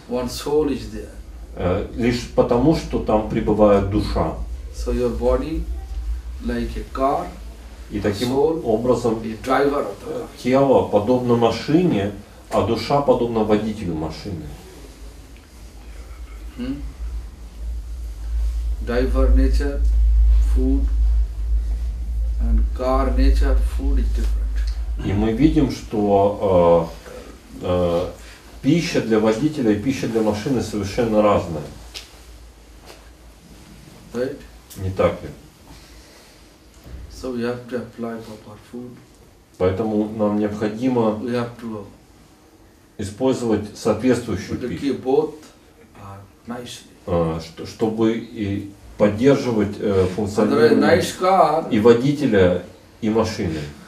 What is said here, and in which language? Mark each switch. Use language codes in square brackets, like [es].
[en] One soul is there. [ru] Лишь потому, что там пребывает душа. [en] So your body, like a car, [ru] и таким образом тело подобно машине, а душа подобно водителю машины. [en] Driver nature, food, and car nature, food is different. [ru] И мы видим, что пища для водителя и пища для машины совершенно разная. [en] Right? [ru] Не так ли? [en] So we have to apply proper food. [ru] Поэтому нам необходимо использовать соответствующую пищу, чтобы и поддерживать функционирование и водителя, и машины.